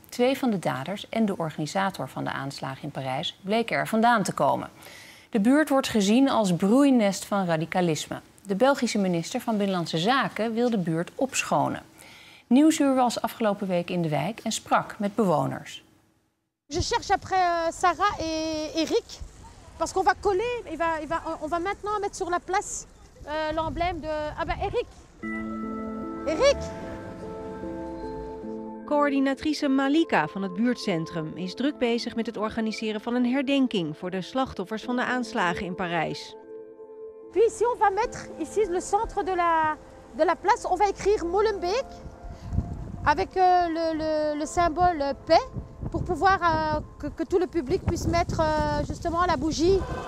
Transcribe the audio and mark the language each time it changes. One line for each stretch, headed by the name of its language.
Dutch: Twee van de daders en de organisator van de aanslagen in Parijs bleken er vandaan te komen. De buurt wordt gezien als broeinest van radicalisme. De Belgische minister van Binnenlandse Zaken wil de buurt opschonen. Nieuwsuur was afgelopen week in de wijk en sprak met bewoners.
French: Je cherche après Sarah et Eric parce qu'on va coller, on va maintenant mettre sur la place l'emblème de Eric. Eric.
Dutch: Coördinatrice Malika van het buurtcentrum is druk bezig met het organiseren van een herdenking voor de slachtoffers van de aanslagen in Parijs.
French: Puis ici on va mettre ici le centre de la place, on va écrire Molenbeek avec le symbole paix pour pouvoir que tout le public puisse mettre justement la bougie.